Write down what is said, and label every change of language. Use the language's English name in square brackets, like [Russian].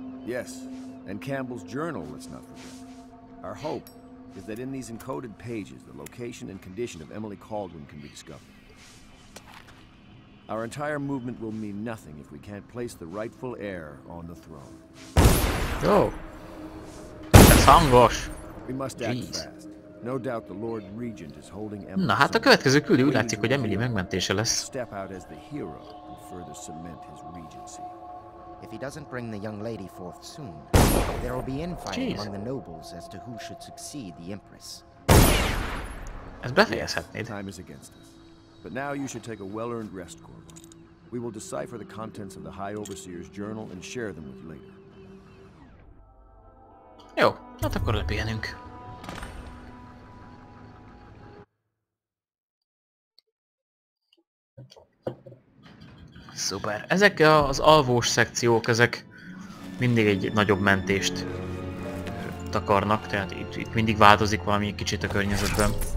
[English] Yes, and Campbell's journal, let's not forget. Our hope is that in these encoded pages, the location and condition of Emily Caldwin can be discovered. Our entire movement will mean nothing if we can't place the rightful heir on the throne. Oh. Sangosh. We must act fast. No doubt the Lord Regent is holding Emily. [Hungarian] Na, hát a következő küldi úgy látszik, hogy Emily megmentése lesz. [English] Step out as the hero to further cement his regency. If he doesn't bring the young lady forth soon, there will be infighting among the nobles as to who should succeed the Empress. [Hungarian] Ez befejezhetnéd. [English] Time is against us. But now you should take a well-earned rest, Corvo. We will decipher the contents of the High Overseer's journal and share them with you later. [Hungarian] Jó, hát akkor lepihenünk. Szuper. Ezek az alvós szekciók, ezek mindig egy nagyobb mentést takarnak, tehát itt mindig változik valami kicsit a környezetben.